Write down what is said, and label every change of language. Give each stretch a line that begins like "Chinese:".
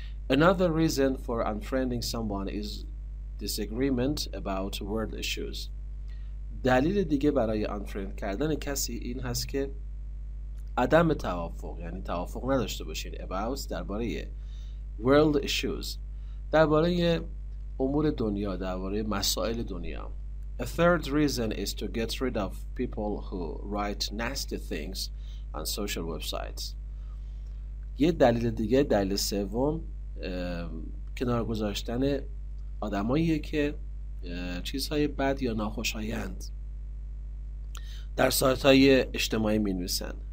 English: Another reason for unfriending someone is disagreement about world issues.
Persian: دلیل دیگه برای unfriend کردن کسی این هست که عدم توافق، یعنی توافق نداشته باشین about، درباره world issues، درباره امور دنیا، درباره مسائل دنیا.
English: A third reason is to get rid of people who write nasty things on social websites.
Persian: یه دلیل دیگه، دلیل سوم، کنار گذاشتن آدمایی که چیزهای بد یا ناخوشایند در سایت‌های اجتماعی می‌نویسن.